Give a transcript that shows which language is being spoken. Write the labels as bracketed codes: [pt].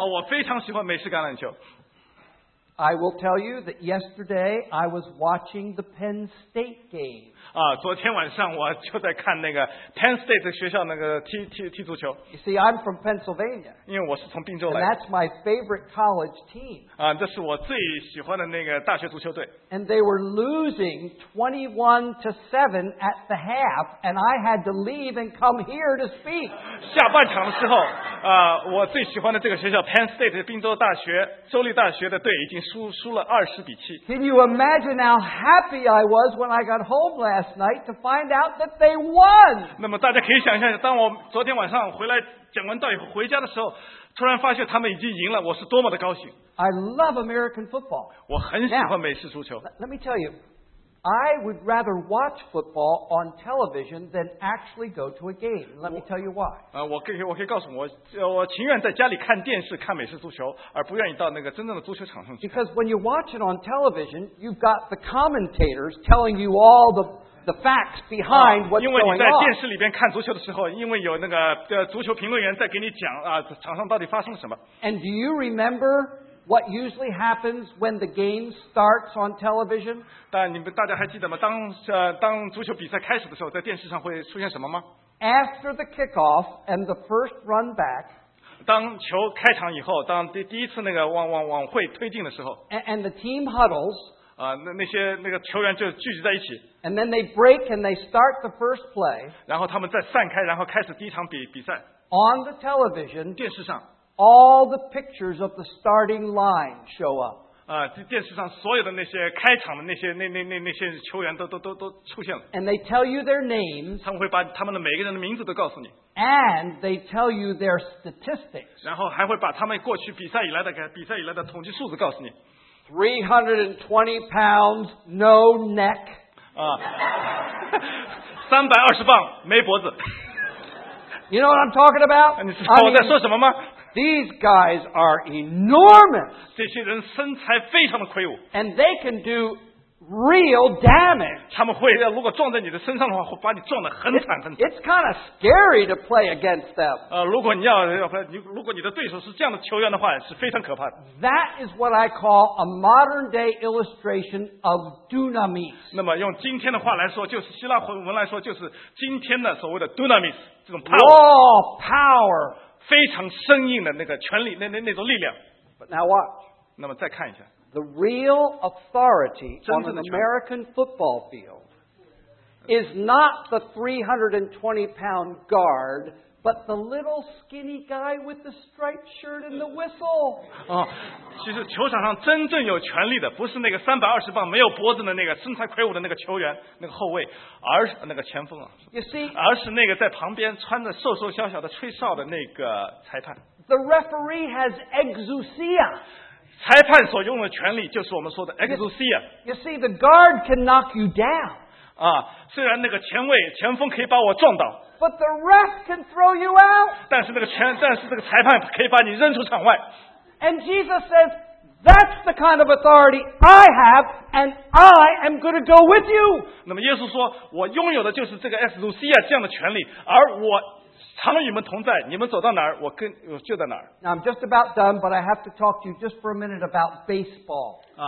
[zh] 啊，我非常喜欢美式橄榄球。 [en] I will tell you that yesterday I was watching the Penn State game. [zh] 啊，昨天晚上我就在看那个 Penn State 学校那个踢足球。 [en] You see, I'm from Pennsylvania. [zh] 因为我是从宾州来。 [en] And that's my favorite college team. [zh] 啊，这是我最喜欢的那个大学足球队。 [en] And they were losing 21-7 at the half, and I had to leave and come here to speak. [zh] 下半场的时候，啊，我最喜欢的这个学校 Penn State 宾州大学州立大学的队。已经输了20-7。 [en] Can you imagine how happy I was when I got home last night to find out that they won? [zh] 那么大家可以想象，当我昨天晚上回来讲完道以后回家的时候，突然发现他们已经赢了，我是多么的高兴。 [en] I love American football. [zh] 我很喜欢美式足球。 [en] Now, let me tell you, I would rather watch football on television than actually go to a game. Let me tell you why. [zh] 我可以告诉你，我情愿在家里看电视看美式足球，而不愿意到那个真正的足球场上去。 [en] Because when you watch it on television, you've got the commentators telling you all the facts behind what's going on. [zh] 因为你在电视里边看足球的时候，因为有那个足球评论员在给你讲啊，场上到底发生了什么。 [en] And do you remember what usually happens when the game starts on television? [zh] 但你们大家还记得吗？当足球比赛开始的时候，在电视上会出现什么吗？ [en] After the kickoff and the first run back, [zh] 当球开场以后，当第一次那个往回推进的时候， [en] and the team huddles, [zh] 那些那个球员就聚集在一起， [en] and then they break and they start the first play, [zh] 然后他们再散开，然后开始第一场比赛。 [en] On the television, [zh] 电视上。 [en] All the pictures of the starting line show up. [zh] 电视上所有的那些开场的那些球员都出现了。 [en] And they tell you their names. [zh] 他们会把他们的每个人的名字都告诉你。 [en] And they tell you their statistics. [zh] 然后还会把他们过去比赛以来的统计数字告诉你。 [en] 320 pounds, no neck. [zh] 320磅，没脖子。 [en] You know what I'm talking about? [zh] 你知道我在说什么吗？ [en] These guys are enormous. [zh] 这些人身材非常的魁梧。 [en] And they can do real damage. [zh] 他们会如果撞在你的身上的话，会把你撞得很惨很惨。 [en] It's kind of scary to play against them. [zh] 如果你的对手是这样的球员的话，是非常可怕的。 [en] That is what I call a modern day illustration of dunamis. [zh] 那么用今天的话来说，就是希腊文来说，就是今天的所谓的 dunamis 这种 [en] power。 Raw power. [zh] 非常生硬的那个权力，那种力量。 [en] But now watch. [zh] 那么再看一下。 [en] The real authority on an American football field is not the 320-pound guard, but the little skinny guy with the striped shirt and the whistle. [zh] 其实球场上真正有权力的，不是那个320磅没有脖子的那个身材魁梧的那个球员、那个后卫，而是那个前锋啊。 [en] You see? [zh] 而是那个在旁边穿着瘦瘦小小的吹哨的那个裁判。 [en] The referee has exousia. [zh] 裁判所用的权力就是我们说的 exousia. [en] You see, the guard can knock you down. [zh] 虽然那个前锋可以把我撞倒。 [en] But the ref can throw you out. [zh] 但是这个裁判可以把你扔出场外。 [en] And Jesus says, that's the kind of authority I have, and I am going to go with you. [zh] 那么耶稣说，我拥有的就是这个 exousia 这样的权利，而我常与你们同在，你们走到哪儿，我就在哪儿。 [en] Now I'm just about done, but I have to talk to you just for a minute about baseball.